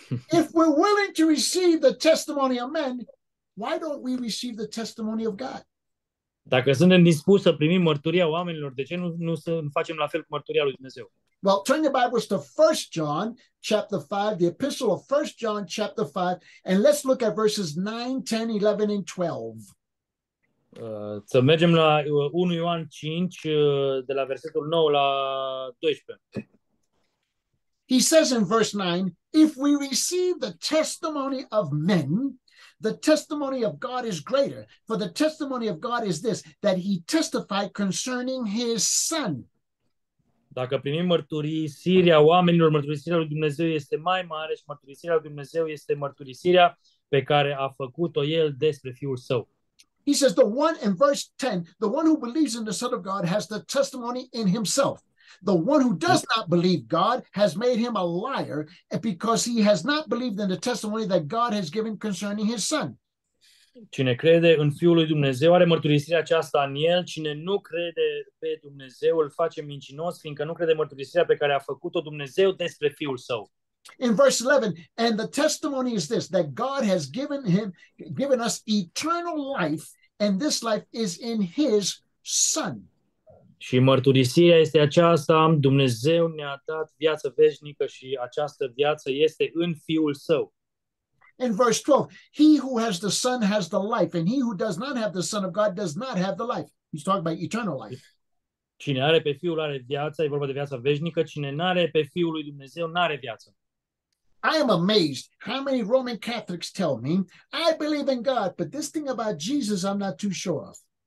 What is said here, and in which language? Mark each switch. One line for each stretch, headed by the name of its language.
English: If we're willing to receive the testimony of men, why don't we receive the testimony of God?
Romanian: Dacă suntem dispuși să primim mărturia oamenilor, de ce nu să facem la fel cu mărturia lui Dumnezeu?
English: Well, turn your Bibles to 1 John chapter 5, the epistle of 1 John chapter 5, and let's look at verses 9, 10, 11, and 12.
Romanian: Să mergem la 1 Ioan 5, de la versetul 9 la 12.
English: He says in verse 9, if we receive the testimony of men, the testimony of God is greater. For the testimony of God is this, that he testified concerning his son.
Romanian: Dacă primim mărturisirea oamenilor, mărturisirea lui Dumnezeu este mai mare și mărturisirea lui Dumnezeu este mărturisirea pe care a făcut-o el despre Fiul Său.
English: He says the one in verse 10, the one who believes in the Son of God has the testimony in himself. The one who does not believe God has made him a liar because he has not believed in the testimony that God has given concerning his Son.
Romanian: Cine crede în Fiul lui Dumnezeu are mărturisirea aceasta în el. Cine nu crede pe Dumnezeu îl face mincinos, fiindcă nu crede mărturisirea pe care a făcut-o Dumnezeu despre Fiul Său.
English: In verse 11, and the testimony is this, that God has given us eternal life, and this life is in his Son.
Romanian: Și mărturisirea este aceasta, Dumnezeu ne-a dat viață veșnică și această viață este în Fiul Său.
English: In verse 12, he who has the Son has the life, and he who does not have the Son of God does not have the life. He's talking about eternal life.
Romanian: Cine are pe Fiul are viața, e vorba de viața veșnică. Cine n-are pe Fiul lui Dumnezeu n-are viață.
English: I am amazed how many Roman Catholics tell me, I believe in God, but this thing about Jesus I'm not too sure of.